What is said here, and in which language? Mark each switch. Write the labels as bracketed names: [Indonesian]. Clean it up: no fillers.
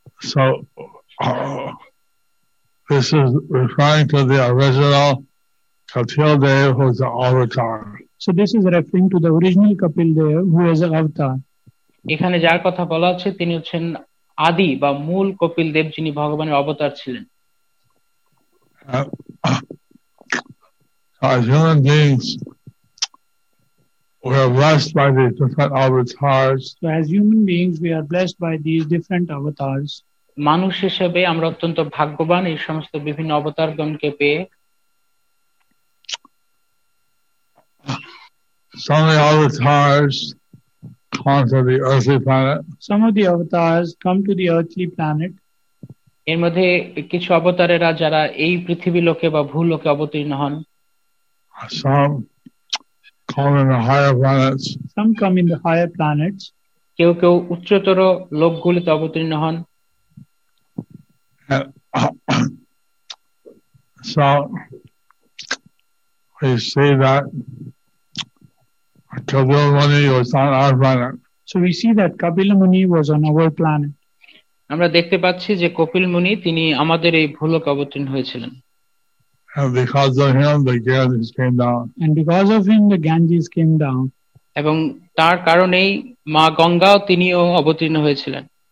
[English] So this is referring to the original Kapil Dev, who is the avatar. So this is referring to the original Kapil Dev, who is the avatar. [Bangla] এখানে যার কথা বলা হচ্ছে তিনি হচ্ছেন আদি বা মূল কপিল দেব যিনি ভগবানের অবতার ছিলেন। [English] As human beings, we are blessed by these different avatars. So as human beings, we are blessed by these different avatars. [Bangla] মানুষ হিসেবে আমরা অত্যন্ত ভাগ্যবান এই সমস্ত বিভিন্ন অবতারগণকে পেয়ে। [English] Some of the avatars come to the earthly planet. Some of the avatars come to the earthly planet. [Bangla] এর মধ্যে কিছু অবতারেরা যারা এই পৃথিবী লোকে বা ভূলোকে অবতীর্ণ হন। [English] Some come in the higher planets. Some come in the higher planets. [Bangla] কেউ কেউ উচ্চতর লোকগুলিতে অবতীর্ণ হন। [English] So we see that Kapil Muni was on our planet. So we see that Kapil Muni was on our planet. [Bangla] আমরা দেখতে পাচ্ছি যে কপিল মুনি তিনি আমাদের এই ভূলোকে অবতীর্ণ হয়েছিলেন। [English] And because of him, the Ganges came down. And because of him, the Ganges came down. [Bangla] এবং তার কারণেই মা গঙ্গাও তিনিও অবতীর্ণ হয়েছিলেন।